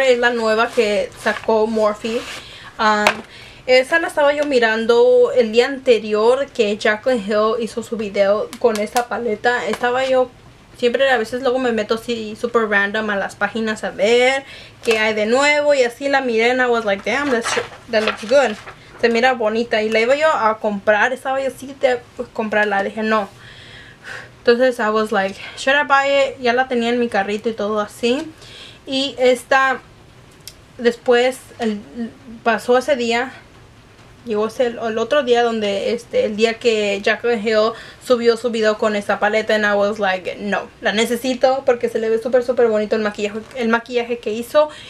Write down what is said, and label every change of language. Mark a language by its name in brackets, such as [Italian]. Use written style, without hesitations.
[Spanish] Es la nueva que sacó Morphe. Esa la estaba yo mirando el día anterior que Jaclyn Hill hizo su video con esta paleta. Estaba yo... Siempre a veces luego me meto así super random a las páginas a ver qué hay de nuevo. Y así la miré [English] and I was like, damn, that looks good. [Spanish] Se mira bonita. Y la iba yo a comprar. Estaba yo así de comprarla. Dije, no. Entonces [English] I was like, should I buy it? [Spanish] Ya la tenía en mi carrito y todo así. Y esta, después, pasó ese día. Llegó el otro día donde, el día que Jaclyn Hill subió su video con esta paleta. [English] And I was like, [Spanish] no, la necesito porque se le ve súper, súper bonito el maquillaje que hizo.